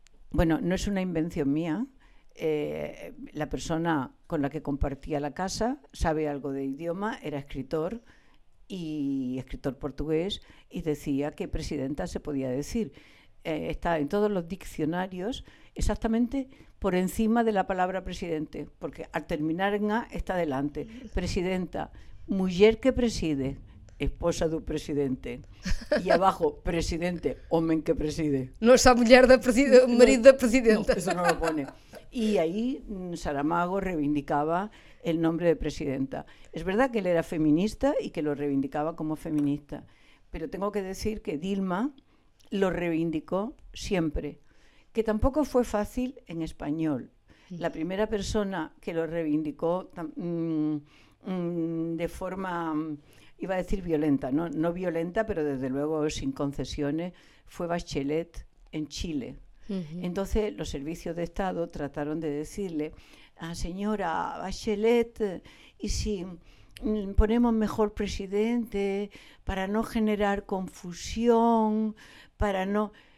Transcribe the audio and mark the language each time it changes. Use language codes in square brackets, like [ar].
[es] Bueno, no es una invención mía. La persona con la que compartía la casa sabe algo de idioma, era escritor, y escritor portugués, y decía que presidenta se podía decir. Está en todos los diccionarios exactamente por encima de la palabra presidente, porque al terminar en A está delante. Presidenta. Mujer que preside, [pt] esposa do presidente. E abaixo, presidente, homem que preside. Não está a mulher da presidente, marido da presidenta. Não, isso não [es] lo pone. [pt] E aí Saramago reivindicava o nome de presidenta. É verdade que ele era feminista e que lo reivindicava como feminista. Mas tenho que dizer que Dilma lo reivindicou sempre. Que tampouco foi fácil em espanhol. A primeira pessoa que lo reivindicou... [es] de forma, iba a decir violenta, no violenta, pero desde luego sin concesiones, fue Bachelet en Chile. Entonces los servicios de Estado trataron de decirle a señora Bachelet, y si ponemos mejor presidente para no generar confusión, para no...